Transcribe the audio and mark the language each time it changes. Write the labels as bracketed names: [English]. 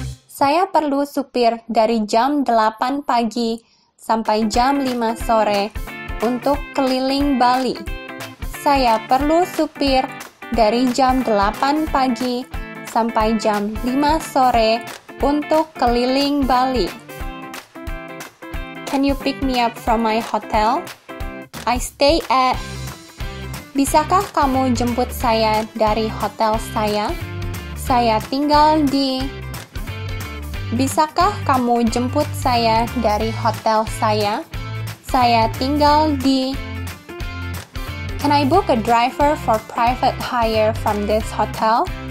[Indonesian] Saya perlu supir dari jam 8 pagi sampai jam 5 sore untuk keliling Bali. Saya perlu supir dari jam 8 pagi sampai jam 5 sore untuk keliling Bali. [English] Can you pick me up from my hotel? I stay at... [Indonesian] Bisakah kamu jemput saya dari hotel saya? Saya tinggal di... Bisakah kamu jemput saya dari hotel saya? Saya tinggal di... [English] Can I book a driver for private hire from this hotel?